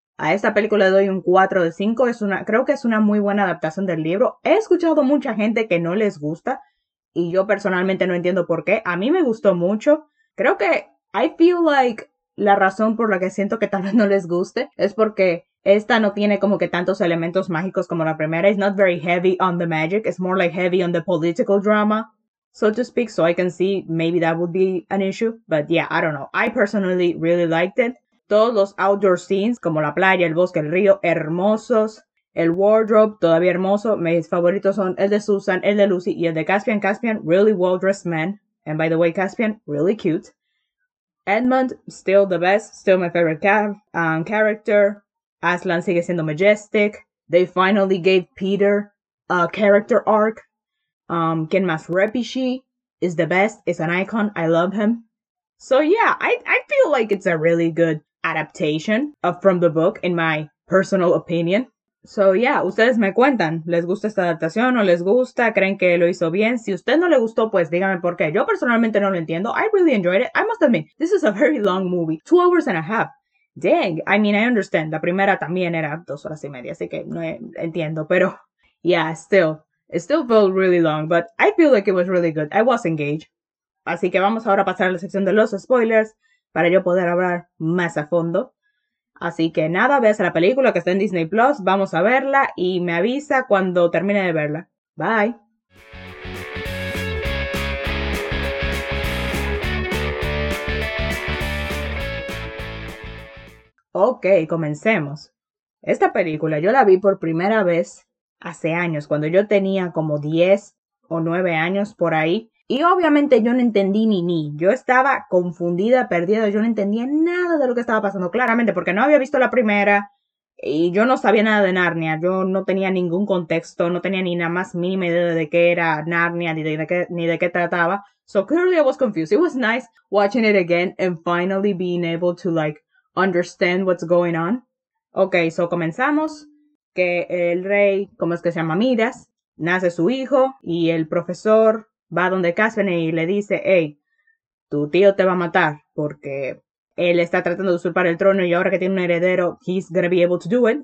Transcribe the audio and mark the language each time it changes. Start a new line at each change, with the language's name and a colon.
Spanish: A esta película le doy un 4 de 5. Creo que es una muy buena adaptación del libro. He escuchado mucha gente que no les gusta y yo personalmente no entiendo por qué. A mí me gustó mucho. Creo que
English: I feel like
Spanish: la razón por la que siento que tal vez no les guste es porque esta no tiene como que tantos elementos mágicos como la primera.
English: It's not very heavy on the magic. It's more like heavy on the political drama, so to speak. So I can see maybe that would be an issue. But yeah, I don't know. I personally really liked it.
Spanish: Todos los
English: outdoor scenes,
Spanish: como la playa, el bosque, el río, hermosos. El wardrobe, todavía hermoso. Mis favoritos son el de Susan, el de Lucy y el de Caspian.
English: Caspian, really well-dressed man. And by the way, Caspian, really cute. Edmund, still the best. Still my favorite character. Aslan
Spanish: sigue siendo
English: majestic. They finally gave Peter a character arc.
Spanish: ¿Quién más?
English: Repishi is the best. Is an icon. I love him. So yeah, I feel like it's a really good adaptation from the book, in my personal opinion. So yeah,
Spanish: ustedes me cuentan. ¿Les gusta esta adaptación? ¿No les gusta? ¿Creen que lo hizo bien? Si usted no le gustó, pues dígame por qué. Yo personalmente no lo entiendo.
English: I really enjoyed it. I must admit, this is a very long movie. 2 hours and a half. Dang, I mean, I understand.
Spanish: La primera también era 2 horas y media, así que no entiendo, pero
English: yeah, still. It still felt really long, but I feel like it was really good. I was engaged.
Spanish: Así que vamos ahora a pasar a la sección de los spoilers para yo poder hablar más a fondo. Así que nada, veas la película que está en Disney Plus, vamos a verla y me avisa cuando termine de verla. Bye. Ok, comencemos. Esta película yo la vi por primera vez hace años, cuando yo tenía como 10 o 9 años por ahí. Y obviamente yo no entendí ni. Yo estaba confundida, perdida. Yo no entendía nada de lo que estaba pasando, claramente, porque no había visto la primera. Y yo no sabía nada de Narnia. Yo no tenía ningún contexto. No tenía ni la más mínima idea de qué era Narnia, ni de qué trataba.
English: So clearly I was confused. It was nice watching it again and finally being able to like understand what's going on.
Spanish: Okay, so comenzamos que el rey, ¿cómo es que se llama? Midas, nace su hijo y el profesor va donde Caspian y le dice, hey, tu tío te va a matar porque él está tratando de usurpar el trono y ahora que tiene un heredero,
English: he's gonna be able to do it.